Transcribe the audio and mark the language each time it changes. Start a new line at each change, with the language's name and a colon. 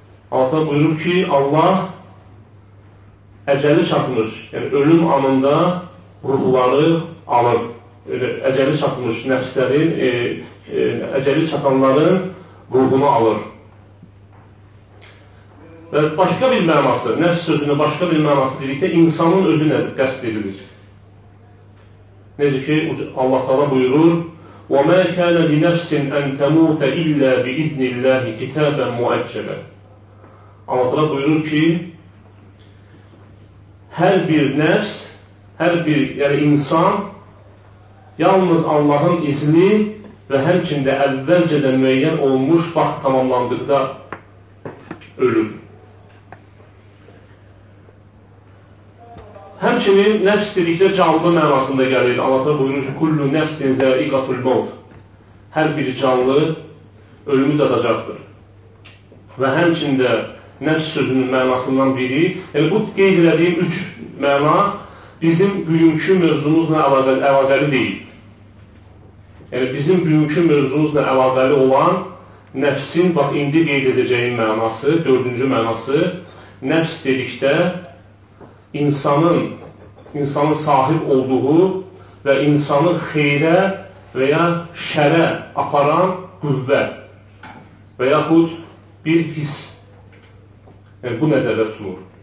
Azerbaijani: Allah Teala buyurur ki, Allah əcəli çatmış, yəni ölüm anında ruhları alır. Əcəli çatmış nəfslərin, əcəli çatanların ruhunu alır. Və başqa bir mənası, nəfs sözünün başqa bir mənası dedikdə insanın özü qəsd edilir. Necə ki, Allah Teala buyurur:
Arabic: وَمَا كَانَ لِنَفْسٍ أَنْ تَمُوتَ إِلَّا بِإِذْنِ اللَّهِ كِتَابًا مُؤَجَّلًا.
Azerbaijani: Allah Teala buyurur ki,
Turkish: her bir nefs, her bir yani insan yalnız Allah'ın izni ve her kimde evvelceden müeyyen olmuş vakt tamamlandıkta ölür.
Azerbaijani: Həmçinin nəfs dedikdə canlı mənasında gəlir. Allah da buyurur ki,
Arabic: kullu nəfsin zəiqatul mevt.
Azerbaijani: Hər bir canlı ölümü dadacaqdır. Və həmçinin də nəfs sözünün mənasından biri, yəni bu qeyd elədiyim üç məna bizim bugünkü mövzumuzla əlaqəli deyil. Yəni bizim bugünkü mövzumuzla əlaqəli olan nəfsin, bax indi qeyd edəcəyim mənası, dördüncü mənası, nəfs dedikdə insanın sahib olduğu və insanı xeyrə və ya şərə aparan qüvvə və yaxud bir his. Yəni, bu nəzərdə tutulur.